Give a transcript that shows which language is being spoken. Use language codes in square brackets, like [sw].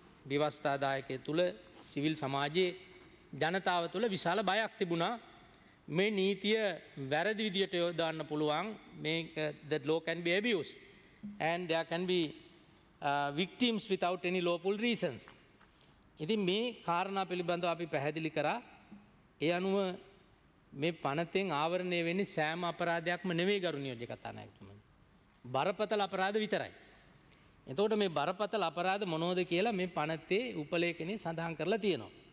[si] විවස්ථාදායකය තුළ, සිවිල් සමාජයේ ජනතාව තුළ විශාල බයක් තිබුණා. මේ නීතිය වැරදි විදියට යොදාන්න පුළුවන්. මේක [en] that law can be abused. And there can be victims without any lawful reasons. [si] ඉතින් මේ කාරණා පිළිබඳව අපි පැහැදිලි කරා. ඒ අනුව මේ පනතෙන් ආවරණය වෙන්නේ සෑම අපරාධයක්ම නෙවෙයි ගරු නියෝජ්‍ය කතානායකතුමනි, බරපතල අපරාධ විතරයි. එතකොට මේ බරපතල අපරාධ මොනවද කියලා මේ පනතේ උපලේඛනයේ සඳහන් කරලා තියෙනවා.